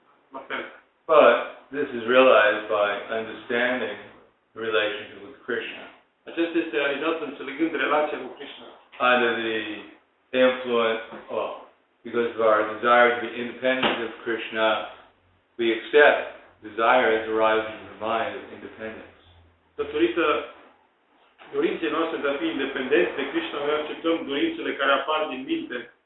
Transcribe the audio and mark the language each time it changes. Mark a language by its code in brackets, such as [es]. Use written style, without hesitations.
[en] But this is realized by understanding the relationship with Krishna. [ro] Acesta este realizat înțelegând relația cu Krishna. [en] Under the influence, well, because of our desire to be independent of Krishna, we accept desires arising from the mind of independence. [ro] Datorită dorinței noastre de a fi independenți de Krishna, noi acceptăm dorințele care apar din minte.